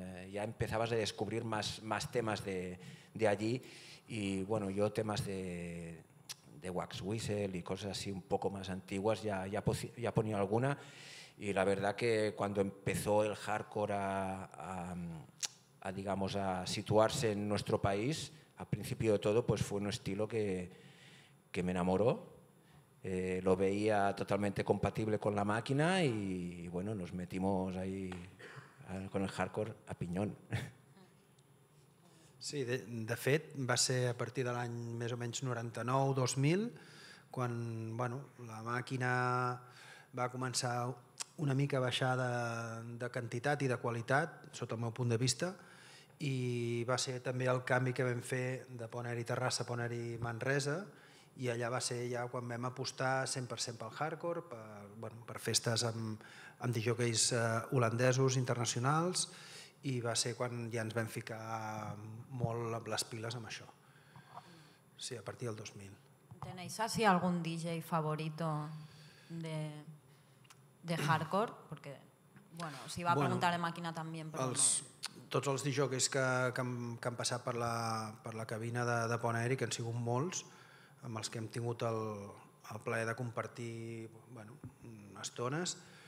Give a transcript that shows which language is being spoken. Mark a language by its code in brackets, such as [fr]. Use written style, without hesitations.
[es] ya empezabas a descubrir más temas de allí y bueno, yo temas de Wax Whistle y cosas así un poco más antiguas ya ponía alguna y la verdad que cuando empezó el hardcore a digamos a situarse en nuestro país, al principio de todo pues fue un estilo que me enamoró. Lo veía totalmente compatible con la máquina y bueno, nos metimos ahí con el hardcore a piñón. [ca] Sí, de fet, va ser a partir de l'any més o menys 99-2000, quan bueno, la màquina va començar una mica a baixar de quantitat i de qualitat, sota el meu punt de vista, i va ser també el canvi que vam fer de Pont Aeri Terrassa a Pont Aeri Manresa, i allà va ser ja quan vam apostar 100% pel hardcore, per festes amb discjòqueis holandesos, internacionals, i va ser quan ja ens vam ficar molt amb les piles amb això. Sí, a partir del 2000. [es] ¿Tenéis así algún DJ favorito de hardcore? Porque, bueno, si va a preguntar bueno, a la máquina también. [ca] Tots els discjòqueis que han passat per la cabina de Pont Aeri, que han sigut molts, amb els que hem tingut el plaer de compartir bueno, estones.